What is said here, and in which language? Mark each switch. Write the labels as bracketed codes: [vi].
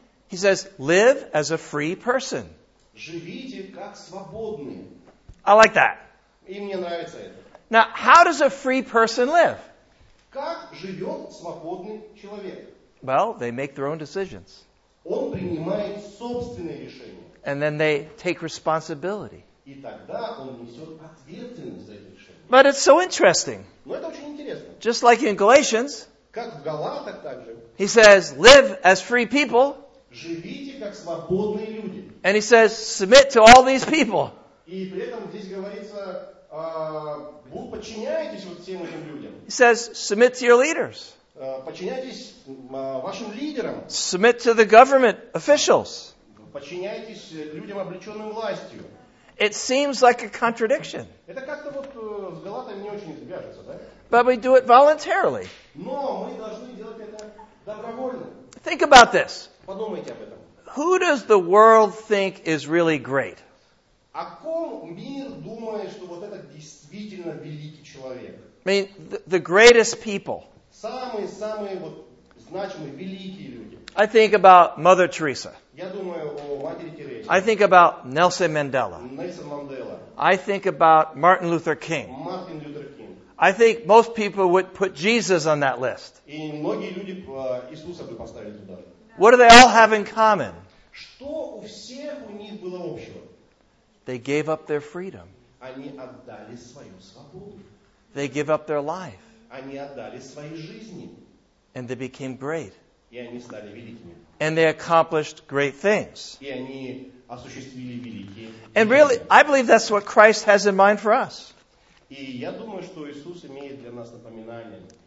[en] he says, live as a free person. [ru] Живите как свободные. [en] I like that. [ru] И мне нравится это. [en] Now, how does a free person live? [ru] Как живет свободный человек? [en] Well, they make their own decisions. [ru] Он принимает собственные решения. [en] And then they take responsibility. [ru] И тогда он несет ответственность за эти решения. [en] But it's so interesting. [ru] Но это очень интересно. [en] Just like in Galatians, [ru] как в Галатах также, [en] he says, live as free people. [ru] Живите как свободные люди. [en] And he says, submit to all these people. [ru] И при этом здесь говорится, вы подчиняетесь вот всем этим людям. [en] He says, submit to your leaders. [ru] Подчиняйтесь вашим лидерам. [en] Submit to the government officials. [ru] Подчиняйтесь людям, облеченным властью. [en] It seems like a contradiction. [ru] Это как-то вот с Галатами не очень вяжется, да? [en] But we do it voluntarily. [ru] Но мы должны делать это добровольно. [en] Think about this. [ru] Подумайте об этом. [en] Who does the world think is really great? [ru] О ком мир думает, что вот это действительно великий человек? [en] I mean, the greatest people. [ru] Самые-самые вот значимые, великие люди. [en] I think about Mother Teresa. [ru] Я думаю о матери Терезе. [en] I think about Nelson Mandela. [ru] Нельсон Мандела. [en] I think about Martin Luther King. [ru] Мартин Лютер Кинг. [en] I think most people would put Jesus on that list. [ru] И многие люди Иисуса бы поставили туда. [en] What do they all have in common? [ru] Что у всех у них было общего? [en] They gave up their freedom. [ru] Они отдали свою свободу. [en] They give up their life. [ru] Они отдали свои жизни. [en] And they became great. [ru] И они стали великими. [en] And they accomplished great things. [ru] И они осуществили великие. [en] And really, I believe that's what Christ has in mind for us. [ru] И я думаю, что Иисус имеет для нас напоминание.